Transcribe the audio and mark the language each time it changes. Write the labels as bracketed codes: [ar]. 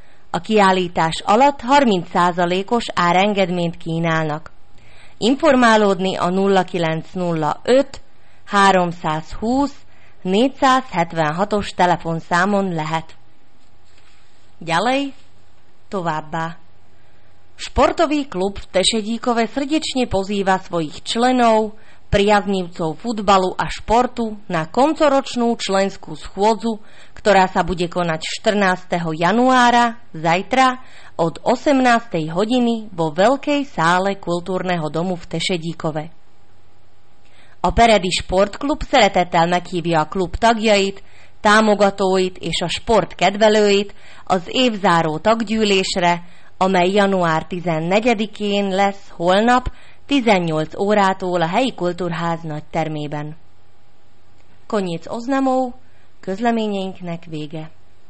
[hu] A kiállítás alatt 30%-os árengedményt kínálnak. Informálódni a 0905 320 476-os telefonszámon lehet. [sk] Ďalej, [hu] továbbá. [sk] Športový klub v Tešedíkove srdečne pozýva svojich členov, priaznivcov futbalu a športu na koncoročnú členskú schôdzu, ktorá sa bude konať 14. januára, zajtra, od 18. hodiny vo Veľkej sále kultúrneho domu v Tešedíkove. [hu] A Peredi Sportklub szeretettel meghívja a klub tagjait, támogatóit és a sport kedvelőit az évzáró taggyűlésre, amely január 14-én lesz holnap 18 órától a helyi kultúrház nagy termében. [sk] Koniec oznamov, [hu] közleményeinknek vége.